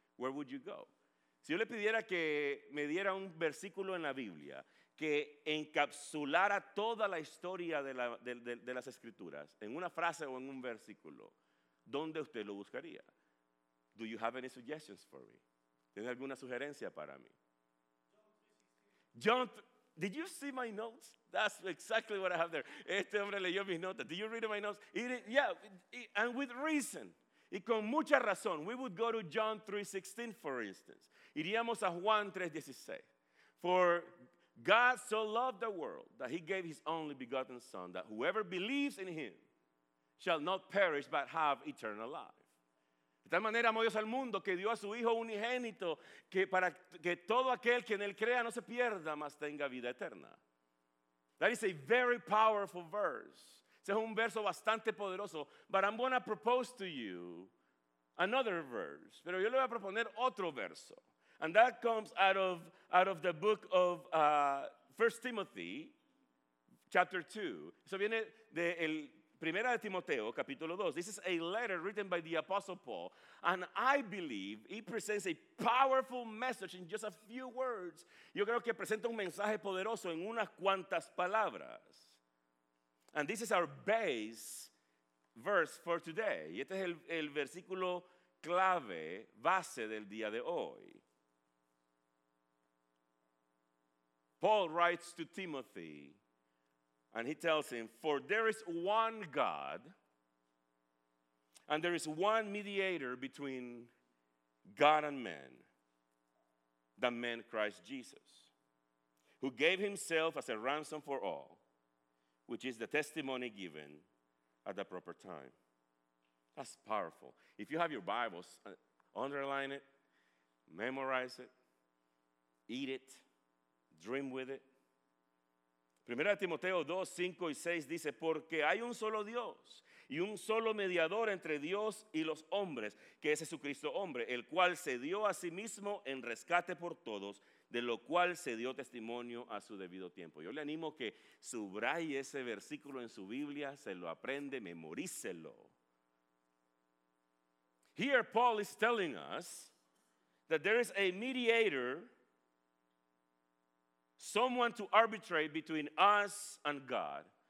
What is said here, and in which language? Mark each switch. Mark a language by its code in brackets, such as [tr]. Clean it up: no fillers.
[en] Where would you go? [es] Si yo le pidiera que me diera un versículo en la Biblia que encapsulara toda la historia de las escrituras en una frase o en un versículo, ¿dónde usted lo buscaría? [en] Do you have any suggestions for me? [es] ¿Tiene alguna sugerencia para mí? [en] Did you see my notes? That's exactly what I have there. [es] Este hombre leyó mis notas. [en] Did you read my notes? And with reason. [es] Y con mucha razón. [en] We would go to John 3:16, for instance. [es] Iríamos a Juan 3:16. [en] For God so loved the world that he gave his only begotten son that whoever believes in him shall not perish but have eternal life. [es] De tal manera amó Dios al mundo que dio a su Hijo unigénito que para que todo aquel que en él crea no se pierda, mas tenga vida eterna. [en] That is a very powerful verse. [es] Ese es un verso bastante poderoso. [en] But I'm going to propose to you another verse. [es] Pero yo le voy a proponer otro verso. [en] And that comes out of the book of 1 Timothy, chapter 2. [es] Eso viene de el Primera de Timoteo, capítulo 2. [en] This is a letter written by the Apostle Paul. And I believe it presents a powerful message in just a few words. [es] Yo creo que presenta un mensaje poderoso en unas cuantas palabras. [en] And this is our base verse for today. [es] Y este es el versículo clave, base del día de hoy. [en] Paul writes to Timothy, and he tells him, for there is one God, and there is one mediator between God and man, the man Christ Jesus, who gave himself as a ransom for all, which is the testimony given at the proper time. That's powerful. If you have your Bibles, underline it, memorize it, eat it, dream with it. [es] Primera de Timoteo 2, 5 y 6 dice, porque hay un solo Dios y un solo mediador entre Dios y los hombres, que es Jesucristo hombre, el cual se dio a sí mismo en rescate por todos, de lo cual se dio testimonio a su debido tiempo. Yo le animo que subraye ese versículo en su Biblia, se lo aprende, memorícelo. [en] Here Paul is telling us that there is a mediator, someone to arbitrate between us and God.